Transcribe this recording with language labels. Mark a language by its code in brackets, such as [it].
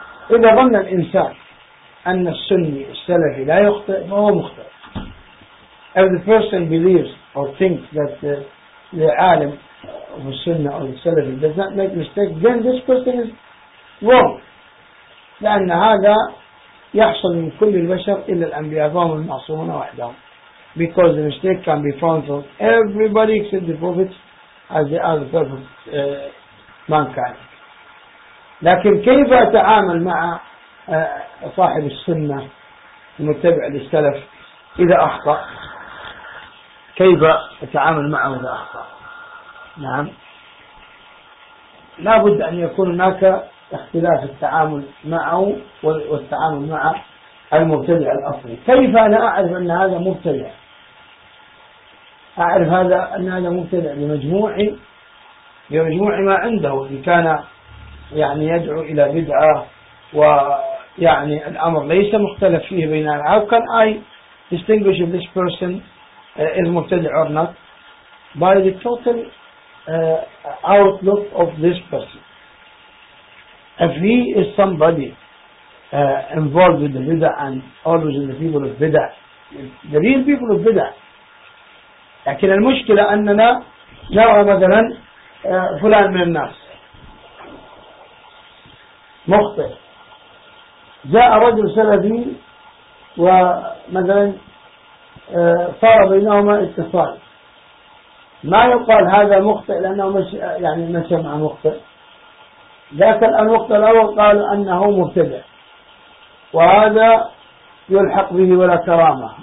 [ar] إذا ظن الإنسان أن السني السلفي لا يخطئ فهو مخطئ. [en] If the person believes or thinks that the عالم of the Sunnah or the Salafi does not make mistakes, then this person is wrong. [ar] لأن هذا يحصل من كل البشر إلا الأنبياء فهم المعصومون وحدهم. [en] Because the mistake can be found from everybody except the prophets as they are the perfect mankind. [ar] لكن كيف أتعامل مع صاحب السنة المتبع للسلف إذا أخطأ؟ كيف أتعامل معه إذا أخطأ؟ نعم، لا بد أن يكون هناك اختلاف التعامل معه والتعامل مع المبتدع الأصلي. كيف أنا أعرف أن هذا مبتدع؟ أعرف هذا أن هذا مبتدع لمجموع ما عنده، إن كان يعني يدعو إلى بدعة ويعني الأمر ليس مختلف فيه بيننا. [en] How can I distinguish if this person is مبتدع or not by the total outlook of this person? If he is somebody involved with the بدعة and always in the people of بدعة, the real people of بدعة. [ar] لكن المشكلة أننا نرى مثلا فلان من الناس مخطئ، جاء رجل سلفي ومثلا صار بينهما اتصال، ما يقال هذا مخطئ لأنه مش يعني مشى مع مخطئ، ذاك الوقت الأول قال أنه مبتدع وهذا يلحق به ولا كرامة.